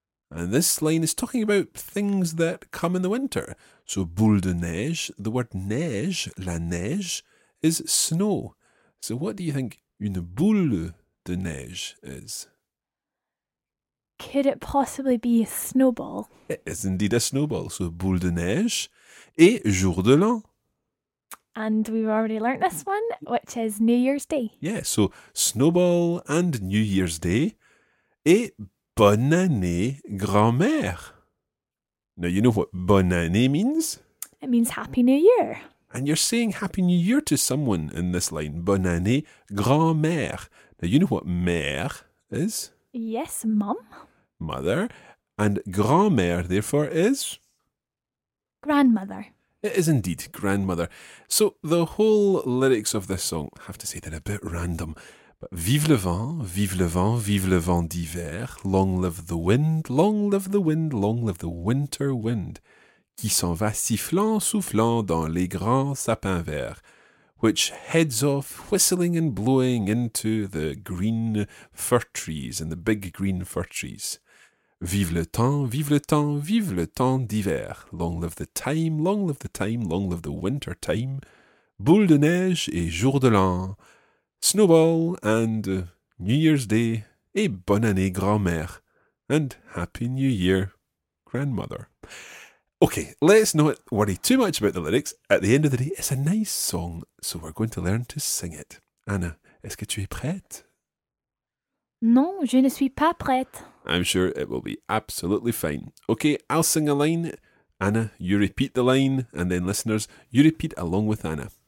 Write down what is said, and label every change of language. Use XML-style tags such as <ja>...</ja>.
<en>And this line is talking about things that come in the winter. So</en> <fr>boule de neige,</fr> <en>the word neige,</en> <fr>la neige,</fr> <en>is snow. So what do you think</en> <fr>une boule de neige</fr> <en>is? Could it possibly be a snowball? It is indeed a snowball.</en> <fr>So boule de neige et jour de l'an.</fr> <en>And we've already learnt this one, which is New Year's Day. Yeah, so snowball and New Year's Day</en> <fr>et bonne année, grand-mère.</fr> <en>Now, you know what</en> <fr>bonne année</fr> <en>means? It means Happy New Year. And you're saying Happy New Year to someone in this line.</en> <fr>Bonne année, grand-mère.</fr> <en>Now, you know what mère is? Yes, mum. Mother. And grand-mère, therefore, is? Grandmother. It is indeed, grandmother. So, the whole lyrics of this song, I have to say, they're a bit random.</en> <fr>Vive le vent, vive le vent d'hiver.</fr> <en>Long live the wind, long live the wind, long live the winter wind.</en> <fr>Qui s'en va sifflant, soufflant dans les grands sapins verts.</fr> <en>Which heads off whistling and blowing into the green fir trees and the big green fir trees.</en> <fr>Vive le temps, vive le temps d'hiver.</fr> <en>Long live the time, long live the time, long live the winter time.</en> <fr>Boule de neige et jour de l'an.</fr> <en>Snowball and New Year's Day</en> <fr>et bonne année grand-mère</fr> <en>and Happy New Year, grandmother. Okay, let's not worry too much about the lyrics. At the end of the day, it's a nice song, so we're going to learn to sing it.</en> <fr>Anna, est-ce que tu es prête? Non, je ne suis pas prête.</fr> <en>I'm sure it will be absolutely fine. Okay, I'll sing a line. Anna, you repeat the line, and then listeners, you repeat along with Anna.</en>